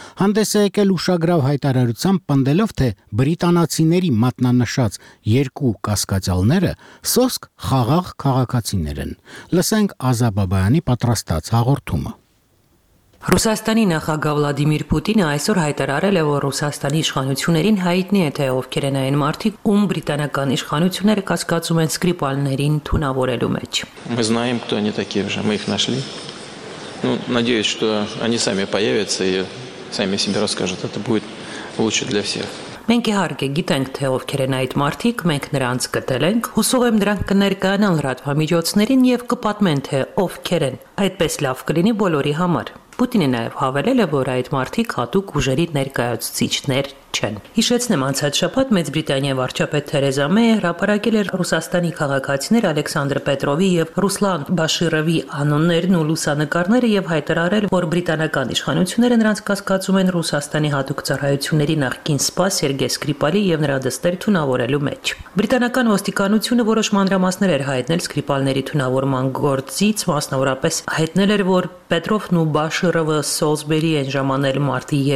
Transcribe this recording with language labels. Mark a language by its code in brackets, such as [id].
[hy] հանդես է եկել ուշագրավ հայտարարությամբ, պնդելով, թե բրիտանացիների մատնանշած երկու կասկածյալները սոսկ խաղաղ քաղաքացիներ են։ Լսենք Ազա Բաբայանի պատրաստած հաղորդումը։ Ռուսաստանի նախագահ Վլադիմիր Պուտինը այսօր հայտարարել է, որ Ռուսաստանի իշխանություններին հայտնի է, թե ովքեր են այն մարդիկ, ում բրիտանական իշխանությունները կասկածում են Սկրիպալներին թունավորելու մեջ։ [ru] Мы знаем, кто они такие уже, мы их нашли. Ну, надеюсь, что они сами появятся и сами себе расскажут. Это будет лучше для всех. [hy] Մենք իհարկե գիտենք, թե ովքեր են այդ մարդիկ, մենք նրանց գտել ենք, հուսող եմ նրանք կներկայանան լրատվամիջոցներին եւ կպատմեն, թե ովքեր են։ Այդպես լավ կլինի բոլորի համար։ Պուտինը նաև հավելել է, որ այդ մարդիկ հատուկ ուժերի ներկայացուցիչներ չեն։ Հիշեցնեմ, անցած շաբաթ Մեծ Բրիտանիա վարչապետ Թերեզա Մեյը հրապարակել էր Ռուսաստանի քաղաքացիներ Ալեքսանդր Պետրովի եւ Ռուսլան Բաշիրովի անուններն ու լուսանկարները եւ հայտարարել, որ բրիտանական իշխանությունները նրանց կասկածում են Ռուսաստանի հատուկ ծառայությունների նախկին սպա Սերգե Սկրիպալի եւ նրա դստեր թունավորելու մեջ։ Բրիտանական ոստիկանությունը որոշ մանրամասներ էր հայտնել Սկրիպալների թունավորման գործից, մասնավորապես հայտնել էր, որ Պետրովն ու Բաշիրովը Սոլսբերի են ժամանել մարտի